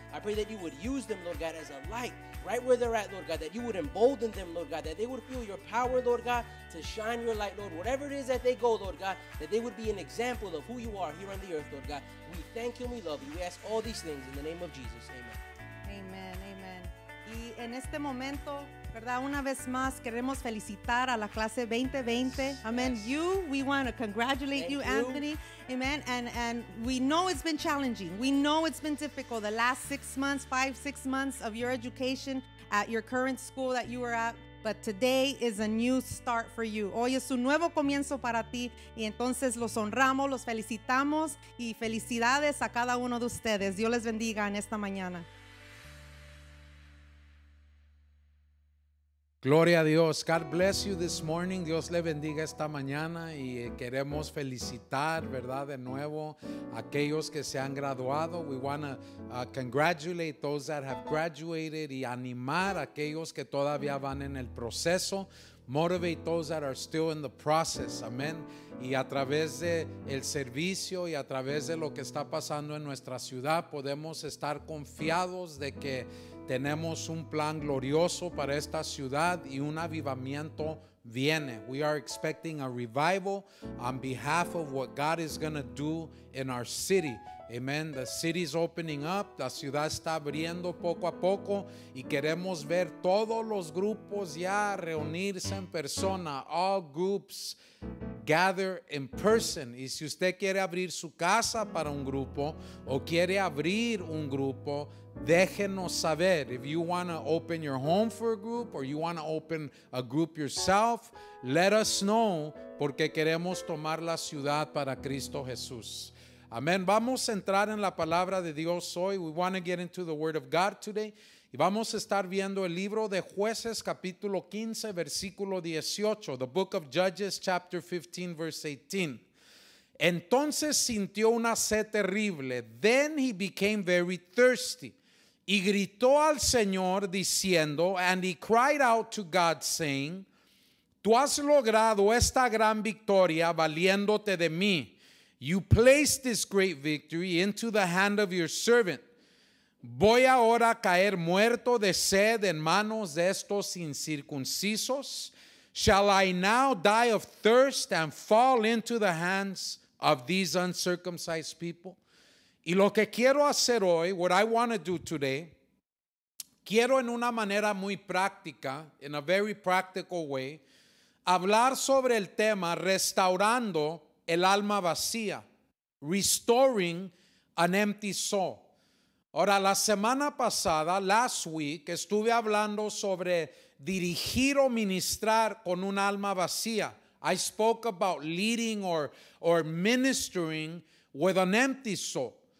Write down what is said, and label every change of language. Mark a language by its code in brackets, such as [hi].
[en] I pray that you would use them, Lord God, as a light right where they're at, Lord God, that you would embolden them, Lord God, that they would feel your power, Lord God, to shine your light, Lord, whatever it is that they go, Lord God, that they would be an example of who you are here on the earth, Lord God. We thank you and we love you. We ask all these things in the name of Jesus. Amen. [es] Amen, amen. Y en este momento, ¿verdad? Una vez más queremos felicitar a la clase 2020. [en] Yes, amen. Yes. We want to congratulate you, Anthony. Amen. And we know it's been challenging. We know it's been difficult. The last five, six months of your education at your current school that you were at. But today is a new start for you. [es] Hoy es un nuevo comienzo para ti. Y entonces los honramos, los felicitamos. Y felicidades a cada uno de ustedes. Dios les bendiga en esta mañana. Gloria a Dios. [en] God bless you this morning. [es] Dios le bendiga esta mañana, y queremos felicitar, ¿verdad?, de nuevo a aquellos que se han graduado. [en] We want to congratulate those that have graduated [es] y animar a aquellos que todavía van en el proceso. [en] Motivate those that are still in the process. Amen. [es] Y a través de el servicio y a través de lo que está pasando en nuestra ciudad, podemos estar confiados de que tenemos un plan glorioso para esta ciudad, y un avivamiento viene. [en] We are expecting a revival on behalf of what God is going to do in our city. Amen. The city is opening up. [es] La ciudad está abriendo poco a poco, y queremos ver todos los grupos ya reunirse en persona. [en] All groups gather in person. [es] Y si usted quiere abrir su casa para un grupo o quiere abrir un grupo, déjenos saber. [en] If you want to open your home for a group or you want to open a group yourself, let us know, [es] porque queremos tomar la ciudad para Cristo Jesús. Amén. Vamos a entrar en la palabra de Dios hoy. [en] We want to get into the word of God today. [es] Y vamos a estar viendo el libro de Jueces, capítulo 15, versículo 18. [en] The book of Judges, chapter 15, verse 18. [es] Entonces sintió una sed terrible. [en] Then he became very thirsty. [es] Y gritó al Señor diciendo, [en] and he cried out to God saying, [es] tú has logrado esta gran victoria valiéndote de mí. [en] You placed this great victory into the hand of your servant. [es] Voy ahora a caer muerto de sed en manos de estos incircuncisos. [en] Shall I now die of thirst and fall into the hands of these uncircumcised people? [es] Y lo que quiero hacer hoy, [en] what I want to do today, [es] quiero en una manera muy práctica, [en] in a very practical way, [es] hablar sobre el tema restaurando el alma vacía, [en] restoring an empty soul. [es] Ahora, la semana pasada, [en] last week, [es] estuve hablando sobre dirigir o ministrar con un alma vacía. [en] I spoke about leading or ministering with an empty soul.